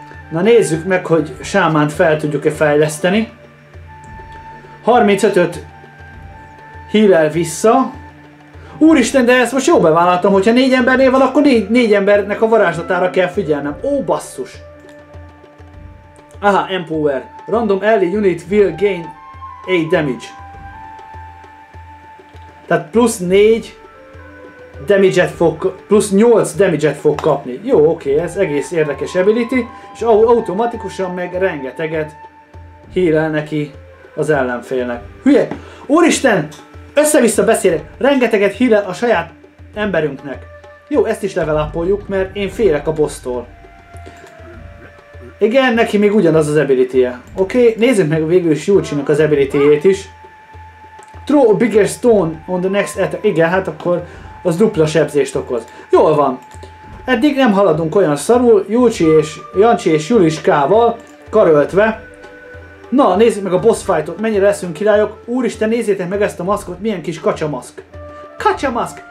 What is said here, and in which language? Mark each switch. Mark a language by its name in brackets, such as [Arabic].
[Hungarian] Na nézzük meg, hogy sámánt fel tudjuk-e fejleszteni. 35-öt hílel vissza. Úristen, de ezt most jó bevállaltam, hogyha 4 embernél van, akkor 4 embernek a varázslatára kell figyelnem. Ó, basszus! Aha, Empower. [English] Random ally unit will gain 8 damage. [Hungarian] Tehát plusz 4 damage-et fog, plusz 8 damage-et fog kapni. Jó, oké, ez egész érdekes ability, és automatikusan meg rengeteget hílel neki az ellenfélnek. Hülye! Úristen! Össze-vissza beszélek! Rengeteget hílel a saját emberünknek. Jó, ezt is level-upoljuk, mert én félek a bosstól. Igen, neki még ugyanaz az ability-je. Oké, nézzük meg végül is Yuji-nak az ability-jét is. [English] Throw a bigger stone on the next attack. [Hungarian] Igen, hát akkor az dupla sebzést okoz. Jól van. Eddig nem haladunk olyan szarul, Yuji és Jancsi és Juliskával karöltve. Na, nézzük meg a boss fightot, mennyire leszünk királyok. Úristen, nézzétek meg ezt a maszkot, milyen kis kacsamaszk. Kacsamaszk!